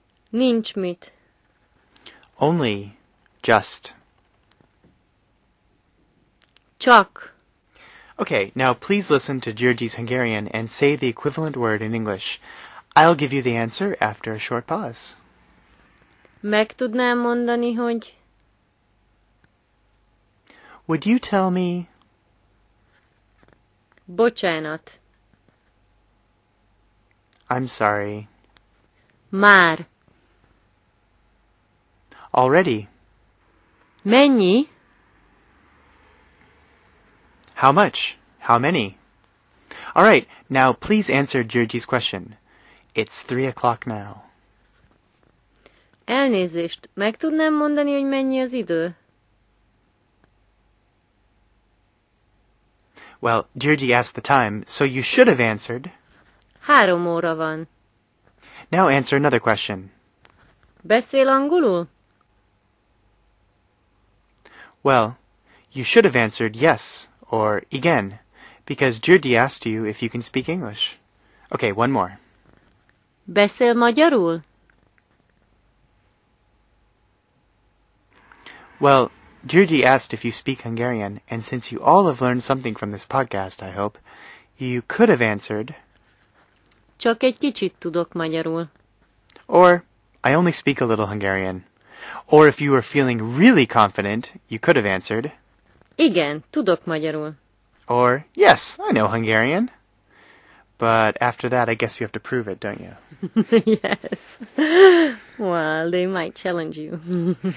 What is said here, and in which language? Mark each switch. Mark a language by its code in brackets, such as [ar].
[hu] Nincs mit. [en] Only. Just. [hu] Csak. [en] Okay, now please listen to Györgyi's Hungarian and say the equivalent word in English. I'll give you the answer after a short pause. [hu] Meg tudnám mondani, hogy... [en] Would you tell me... [hu] Bocsánat. [en] I'm sorry. [hu] Már. [en] Already. [hu] Mennyi? [en] How much? How many? All right, now please answer Györgyi's question. It's 3 o'clock now. [hu] Elnézést, meg tudnám mondani, hogy mennyi az idő? [en] Well, Györgyi asked the time, so you should have answered. [hu] 3 óra van. [en] Now answer another question. [hu] Beszél angolul? [en] Well, you should have answered yes, or igen, because Györgyi asked you if you can speak English. Okay, one more. [hu] Beszél magyarul? [en] Well, Györgyi asked if you speak Hungarian, and since you all have learned something from this podcast, I hope, you could have answered... [hu] Csak egy kicsit tudok magyarul. [en] Or, I only speak a little Hungarian. Or if you were feeling really confident, you could have answered... [hu] Igen, tudok magyarul. [en] Or, yes, I know Hungarian. But after that, I guess you have to prove it, don't you? Yes. Well, they might challenge you.